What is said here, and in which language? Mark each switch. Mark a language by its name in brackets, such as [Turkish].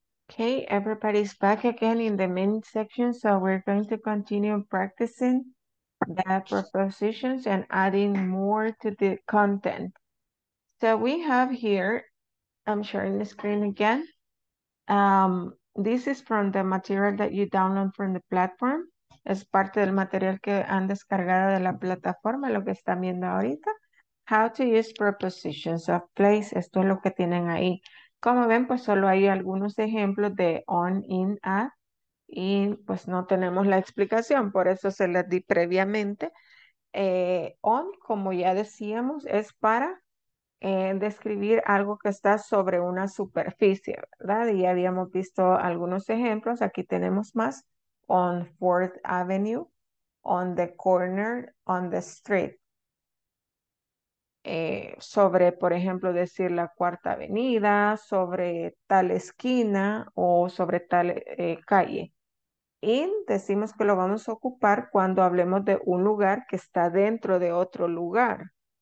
[English] Okay, everybody's back again in the main section, so we're going to continue practicing the prepositions and adding more to the content. So we have here, I'm sharing the screen again. This is from the material that you download from the platform. [Spanish] Es parte del material que han descargado de la plataforma, lo que están viendo ahorita. [English] How to use prepositions of place. [Spanish] Esto es lo que tienen ahí. Como ven, pues solo hay algunos ejemplos de on, in, at, y pues no tenemos la explicación, por eso se les di previamente. On, como ya decíamos, es para describir algo que está sobre una superficie, ¿verdad? Y habíamos visto algunos ejemplos, aquí tenemos más. [English] On 4th Avenue, on the corner, on the street. [Spanish] Sobre, por ejemplo, decir la cuarta avenida, sobre tal esquina o sobre tal calle. Y decimos que lo vamos a ocupar cuando hablemos de un lugar que está dentro de otro lugar.